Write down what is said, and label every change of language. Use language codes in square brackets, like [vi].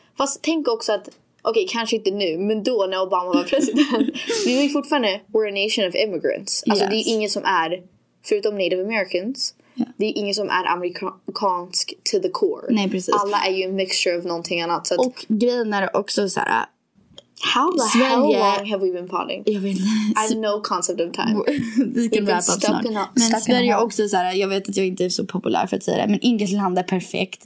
[sv] Fast tänk också att okej, kanske inte nu, men då när Obama var president. Vi är fortfarande [en] we're a nation of immigrants. [sv] Alltså det är ingen som är förutom Native Americans. [en] Yeah. [sv] Det är ingen som är amerikansk [en] to the core. [sv] Nej, precis. Alla är ju en mixture av någonting annat så att, och grejen är också så här, [en] how the Sverige, hell long have we been potting? [sv] Jag vet inte. [en] I have no concept of time. [sv] Vi kan [en] wrap up [sv] snart. Men Sverige är också så här, jag vet att jag inte är så populär för att säga det. Men inget land är perfekt.